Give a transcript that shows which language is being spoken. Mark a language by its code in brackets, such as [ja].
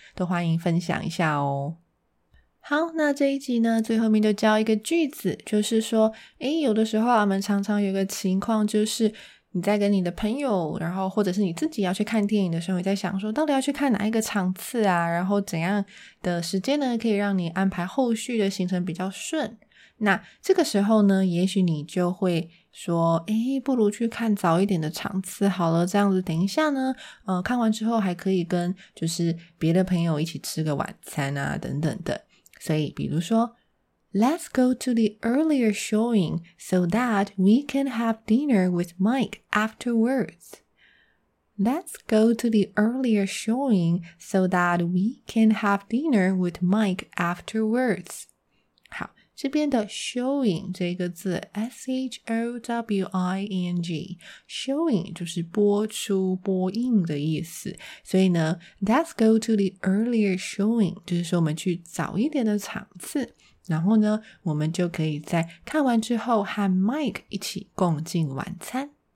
[zh] 都欢迎分享一下哦。好，那这一集呢，最后面就教一个句子，就是说，诶，有的时候我们常常有个情况，就是你在跟你的朋友，然后或者是你自己要去看电影的时候，你在想说到底要去看哪一个场次啊，然后怎样的时间呢，可以让你安排后续的行程比较顺。那这个时候呢，也许你就会说，诶，不如去看早一点的场次好了，这样子等一下呢，看完之后还可以跟就是别的朋友一起吃个晚餐啊等等的。所以比如说 [en] Let's go to the earlier showing so that we can have dinner with Mike afterwards. Let's go to the earlier showing so that we can have dinner with Mike afterwards. 好， [zh] 这边的 showing 这个字 S-H-O-W-I-N-G showing 就是播出播映的意思，所以呢 [en] let's go to the earlier showing [zh] 就是说我们去早一点的场次，然后呢我们就可以在看完之后和 Mike 一起共进晚餐。